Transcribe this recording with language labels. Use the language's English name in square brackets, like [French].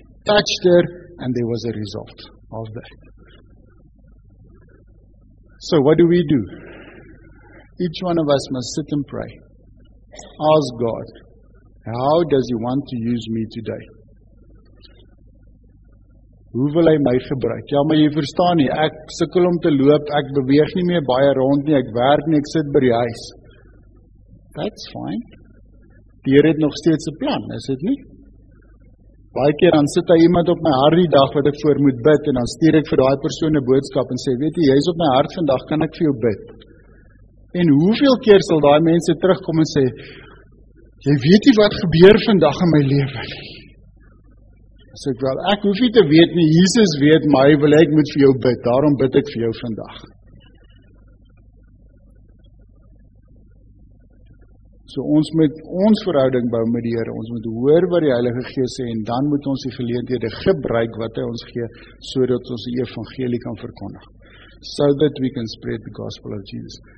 [English] Touched her, and there was a result of that. So what do we do? Each one of us must sit and pray. Ask God, how does He want to use me today? [Afrikaans] Hoe wil hy my gebruik? Ja, maar jy verstaan nie, ek sukkel om te loop, ek beweeg nie meer baie rond nie, ek werk nie, ek sit by die huis. [English] That's fine. [Afrikaans] Die Here het nog steeds 'n plan, is dit nie? Baie keer dan sit hy iemand op my hart die dag wat ek voor moet bid en dan stuur ek vir daai persoon 'n boodskap en sê, weet jy, jy's op my hart vandag, kan ek vir jou bid? En hoeveel keer sal daai mense terugkom en sê, jy weet nie wat gebeur vandag in my lewe nie. Sê ek wel, ek hoef nie te weet nie, Jesus weet, maar hy wil ek moet vir jou bid, daarom bid ek vir jou vandag. So ons moet ons verhouding bou met die Here, ons moet hoor wat die Heilige Gees sê en dan moet ons die geleenthede gebruik wat hy ons gee, sodat ons die evangelie kan verkondig. [English] So that we can spread the gospel of Jesus.